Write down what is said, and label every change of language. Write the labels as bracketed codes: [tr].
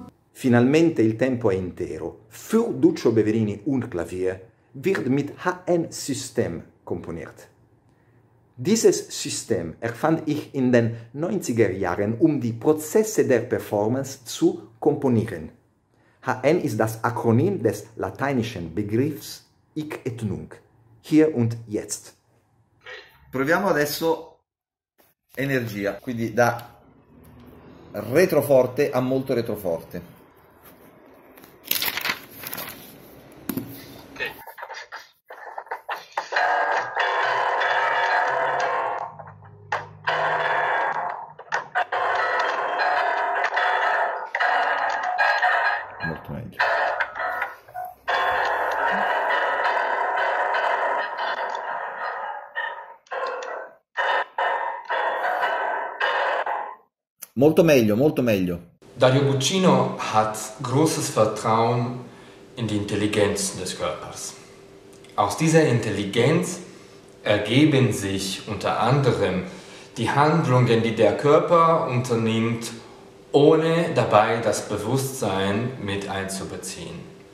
[it] Finalmente il tempo è intero. [de] Für Duccio Beverini und Klavier wird mit ein System komponiert. Dieses System erfand ich in den 90er Jahren, um die Prozesse der Performance zu komponieren. HN ist das Akronym des lateinischen Begriffs Ich et nunc, hier und jetzt. [it] Proviamo adesso energia, quindi da retroforte a molto retroforte. Molto meglio, molto meglio. [de] Dario Buccino hat großes Vertrauen in die Intelligenz des Körpers. Aus dieser Intelligenz ergeben sich unter anderem die Handlungen, die der Körper unternimmt, ohne dabei das Bewusstsein mit einzubeziehen.